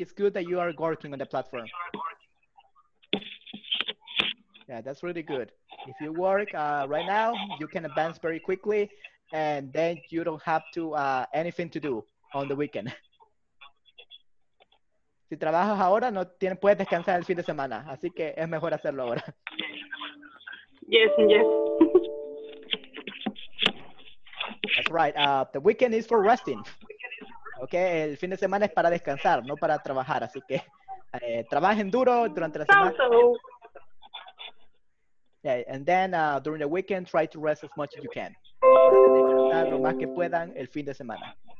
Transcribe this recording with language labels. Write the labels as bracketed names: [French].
[English] It's good that you are working on the platform. Yeah, that's really good. If you work right now, you can advance very quickly, and then you don't have to anything to do on the weekend. [Spanish] Si trabajas ahora, no tienes, puedes descansar el fin de semana, así que es mejor hacerlo ahora. [English] Yes, yes. That's right. The weekend is for resting. [Spanish] Okay, el fin de semana es para descansar, no para trabajar, así que trabajen duro durante la semana. [English] Yeah, and then during the weekend, try to rest as much as you can. [Spanish] Lo más que puedan el fin de semana.